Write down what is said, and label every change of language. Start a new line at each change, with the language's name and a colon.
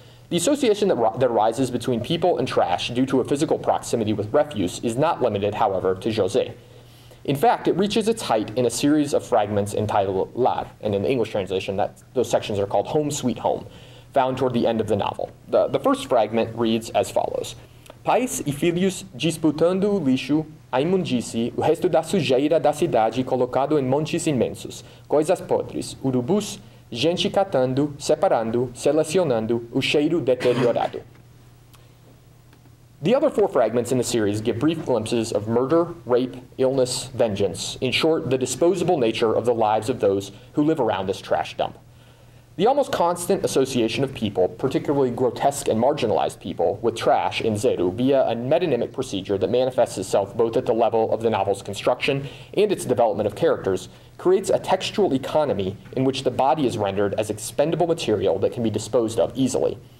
English: The association that arises between people and trash due to a physical proximity with refuse is not limited, however, to José. In fact, it reaches its height in a series of fragments entitled Lar, and in the English translation, those sections are called Home Sweet Home, found toward the end of the novel. The first fragment reads as follows.
Portuguese: Pais e filhos disputando o lixo, a imundice, o resto da sujeira da cidade colocado em montes imensos, coisas podres, urubus, gente catando, separando, selecionando, o cheiro deteriorado.
English: The other four fragments in the series give brief glimpses of murder, rape, illness, vengeance, in short, the disposable nature of the lives of those who live around this trash dump. The almost constant association of people, particularly grotesque and marginalized people, with trash in Zeru via a metonymic procedure that manifests itself both at the level of the novel's construction and its development of characters, creates a textual economy in which the body is rendered as expendable material that can be disposed of easily.